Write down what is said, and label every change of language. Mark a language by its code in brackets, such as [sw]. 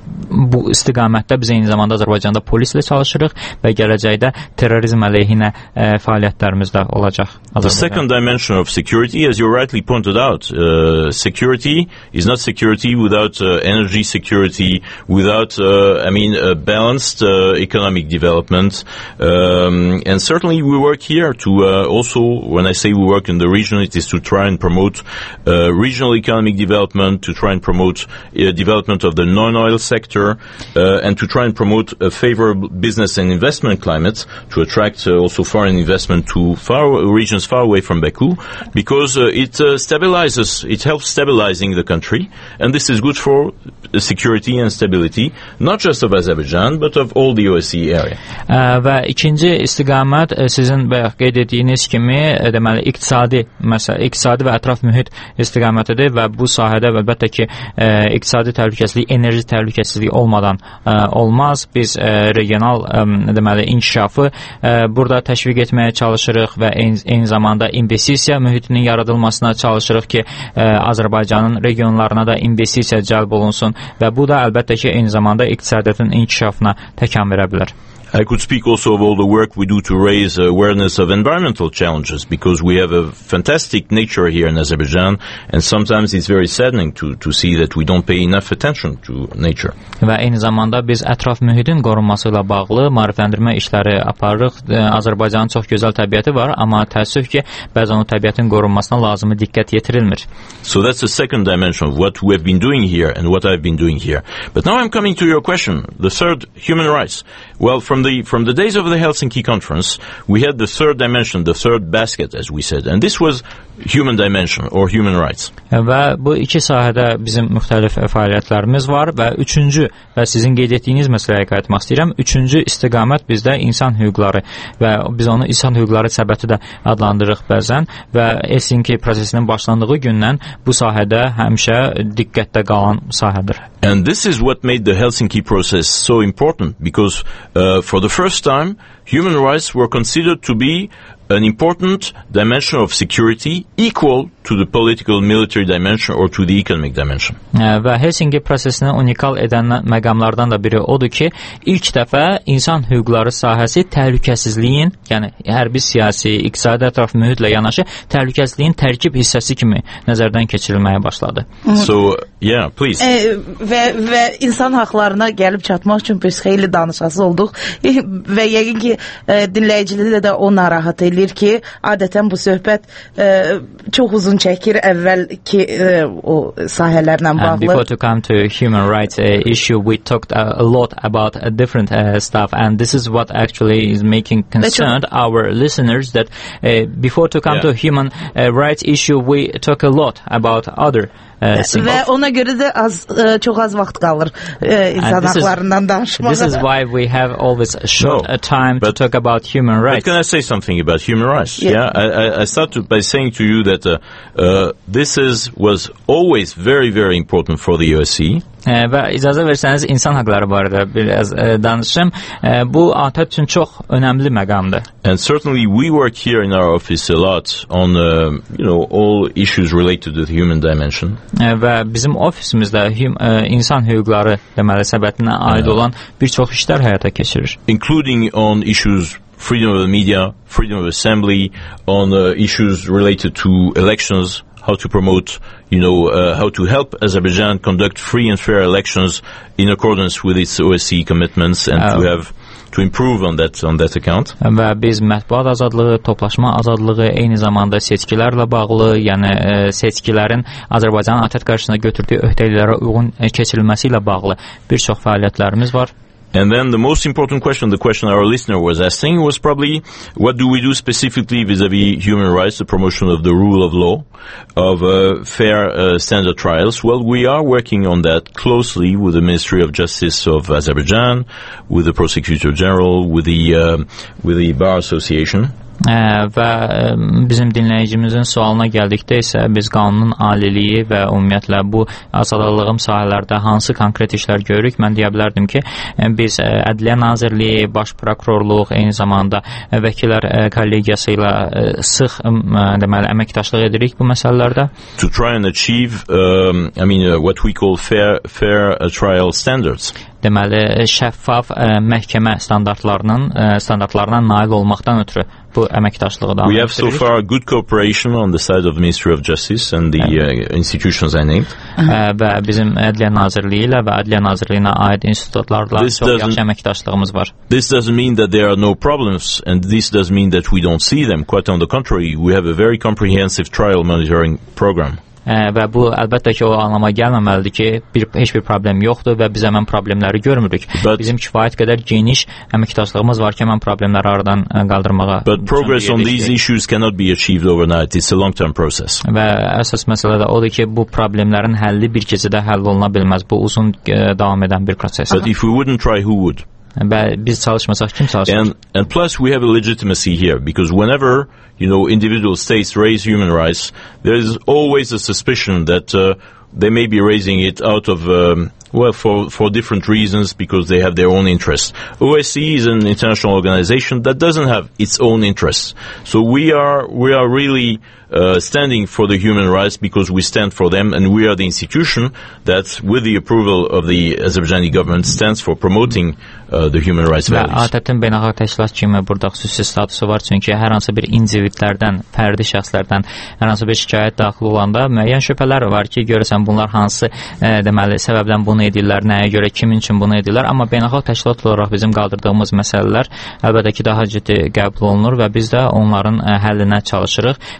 [az] bu istiqamətdə biz eyni zamanda Azərbaycanda polislə çalışırıq və gələcəkdə terrorizm əleyhinə fəaliyyətlərimiz də olacaq. [en] The second dimension of security, as you rightly pointed out, security is not security without energy security, without balanced economic development. And certainly we work here to also, when I say we work in the region, it is to try and promote regional economic development, to try and promote development of the non-oil sector, and to try and promote a favorable business and investment climate to attract also foreign investment to far regions far away from Baku, because it stabilizes, it helps stabilizing the country, and this is good for security and stability, not just of Azerbaijan, but of all the OSCE area. [az] Və ikinci istiqamət sizin bayaq qeyd etdiyiniz kimi, deməli, iqtisadi, məsələn, iqtisadi və ətraf mühit istiqamətidir və bu sahədə əlbəttə ki, iqtisadi təhlükəsizlik, enerji təhlükəsizliyi olmadan olmaz. Biz regional, deməli, inkişafı burada təşviq etməyə çalışırıq və eyni zamanda investisiya mühitinin yaradılmasına çalışırıq ki, Azərbaycanın regionlarına da investisiya cəlb olunsun və bu da əlbəttə ki, eyni zamanda iqtisadiyyatın inkişafına təkan verə bilər. [en] I could speak also of all the work we do to raise awareness of environmental challenges, because we have a fantastic nature here in Azerbaijan, and sometimes it's very saddening to see that we don't pay enough attention to nature. [az] Və eyni zamanda biz ətraf mühitin qorunması ilə bağlı maarifləndirmə işləri aparırıq. Azərbaycanın çox gözəl təbiəti var, amma təəssüf ki, bəzən o təbiətin qorunmasına lazımi diqqət yetirilmir. [en] So that's the second dimension of what we have been doing here and what I've been doing here. But now I'm coming to your question, the third, human rights. Well, From the days of the Helsinki conference, we had the third dimension, the third basket, as we said, and this was human dimension or human rights. [az] Və bu iki sahədə bizim müxtəlif fəaliyyətlərimiz var və üçüncü və sizin qeyd etdiyiniz məsələyə qayıtmaq istəyirəm. Üçüncü istiqamət bizdə insan hüquqları və biz onu insan hüquqları səbəti də adlandırırıq bəzən və Helsinki prosesinin başlandığı gündən bu sahədə həmişə diqqətdə qalan sahədir. [en] And this is what made the Helsinki process so important, because for the first time human rights were considered to be an important dimension of security equal to the political military dimension or to the economic dimension. Və Helsinki prosesini unikal edən məqamlardan da biri odur ki, ilk dəfə insan hüquqları sahəsi təhlükəsizliyin, yəni hərbi siyasi, iqtisadi ətraf mühitlə yanaşı təhlükəsizliyin tərkib hissəsi kimi nəzərdən keçirilməyə başladı. So, yeah, please. [az] Və insan haqlarına gəlib çatmaq üçün biz xeyli danışası olduq və yəqin ki, dinləyicilərdə də o narahat deyir ki, adətən bu söhbət çox uzun çəkir əvvəlki o sahələrlə bağlı. [en] And before to come to human rights issue, we talked a lot about a different stuff, and this is what actually is making concerned our listeners, that before to come to human rights issue, we talk a lot about other [az] Və ona görə də az çox az vaxt qalır insan haqlarından danışmağa. [en] This is why we have always short time to talk about human rights. But can I say something about human rights? I start by saying to you that this was always very, very important for the OSCE. [az] Və icazə versəniz, insan haqları barədə biraz danışım. Bu, ATƏT üçün çox önəmli məqamdır. [en] And certainly we work here in our office a lot on, all issues related to the human dimension. [az] Və bizim ofisimizdə insan hüquqları, deməli, səbətinə aid olan bir çox işlər həyata keçirir. [en] Including on issues freedom of the media, freedom of assembly, on issues related to elections, how to promote, how to help Azerbaijan conduct free and fair elections in accordance with its OSCE commitments and to improve on that account. [az] Və biz mətbuat azadlığı, toplaşma azadlığı, eyni zamanda seçkilərlə bağlı, yəni seçkilərin Azərbaycanın ATƏT qarşısında götürdüyü öhdəliklərə uyğun keçirilməsi ilə bağlı bir çox fəaliyyətlərimiz var. [en] And then the most important question, the question our listener was asking, was probably, what do we do specifically vis-à-vis human rights, the promotion of the rule of law, of fair standard trials? Well, we are working on that closely with the Ministry of Justice of Azerbaijan, with the Prosecutor General, with the Bar Association. [az] Və bizim dinləyicimizin sualına gəldikdə isə biz qanunun aliliyi və ümumiyyətlə bu azadlığım sahələrdə hansı konkret işlər görürük, mən deyə bilərdim ki, biz Ədliyyə Nazirliyi, Baş Prokurorluq, eyni zamanda Vəkillər Kollegiyası ilə sıx deməli, əməkdaşlıq edirik bu məsələlərdə. [en] To try and achieve, what we call fair trial standards. [az] deməli şəffaf məhkəmə standartlarının standartlarına nail olmaqdan ötürü bu əməkdaşlığı davam etdirir. [en] We have so far good cooperation on the side of the Ministry of Justice and the institutions I named. [az] Və bizim Ədliyyə Nazirliyi ilə və Ədliyyə Nazirliyinə aid institutlarla çox yaxşı əməkdaşlığımız var. [en] This doesn't mean that there are no problems and this doesn't mean that we don't see them. Quite on the contrary, we have a very comprehensive trial monitoring program. [az] Və bu əlbəttə ki o anlama gəlməməlidir ki bir heç bir problem yoxdur və biz həmin problemləri görmürük. [en] But [az] bizim kifayət qədər geniş əməkdaşlığımız var ki həmin problemləri aradan qaldırmağa. [en] But progress on these issues cannot be achieved overnight. It's a long-term process. [az] Və əsas məsələ də odur ki bu problemlərin həlli bir gecədə həll oluna bilməz. Bu uzun davam edən bir prosesdir. [en] But if we wouldn't try, who would? [az] Və biz çalışmasaq kim çalışacaq? [en] And plus we have a legitimacy here because whenever you know individual states raise human rights there is always a suspicion that they may be raising it out of well for different reasons because they have their own interests. OSCE is an international organization that doesn't have its own interests. So we are really standing for the human rights because we stand for them and we are the institution that with the approval of the Azerbaijani government stands for promoting the human rights values. [az] ATƏT-in beynəlxalq təşkilat kimi burada xüsusi statusu var çünki hər hansı bir individlərdən, fərdi şəxslərdən hər hansı bir şikayət daxil olanda müəyyən şübhələr var ki, görəsən bunlar hansı deməli səbəbdən bunu edirlər, nəyə görə, kimin üçün bunu edirlər, amma beynəlxalq təşkilat olaraq bizim qaldırdığımız məsələlər əlbəttə ki daha ciddi qəbul olunur və biz də onların həllinə çalışırıq.